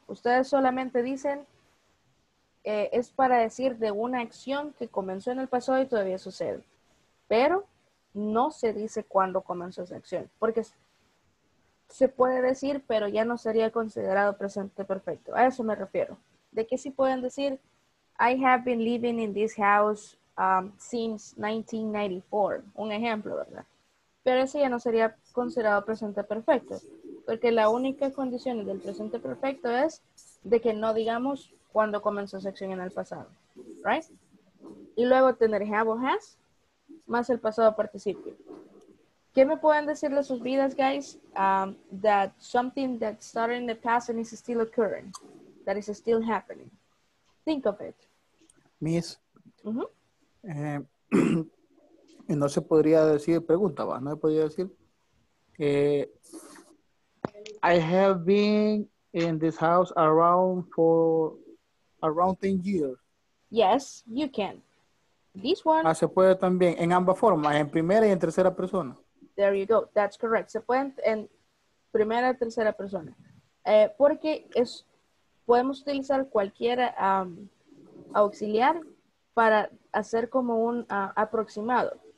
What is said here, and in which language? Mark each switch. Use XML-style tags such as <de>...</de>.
<es>Ustedes solamente dicen, es para decir de una acción que comenzó en el pasado y todavía sucede. Pero no se dice cuándo comenzó esa acción. Porque se puede decir, pero ya no sería considerado presente perfecto. A eso me refiero. ¿De qué sí pueden decir?</es> <en>I have been living in this house since 1994.</en> <es>Un ejemplo, ¿verdad? Pero ese ya no sería considerado presente perfecto. Porque la única condición del presente perfecto es de que no digamos cuándo comenzó esa acción en el pasado. ¿Right? Y luego tener have o has más el pasado participio. ¿Qué me pueden decirle sus vidas, guys?</es> <en>That something that started in the past and is still occurring. That is still happening. Think of it. Miss. Uh-huh.</en> <es>No se podría decir, pregunta, ¿va? No se podría decir.</es> <en>I have been in this house around 10 years. Yes, you can. This one.</en> <es>Se puede también en ambas formas, en primera y en tercera persona.</es> <en>There you go. That's correct.</en> <es>Se pueden en primera y tercera persona. Porque es podemos utilizar cualquier auxiliar para hacer como un aproximado.</es>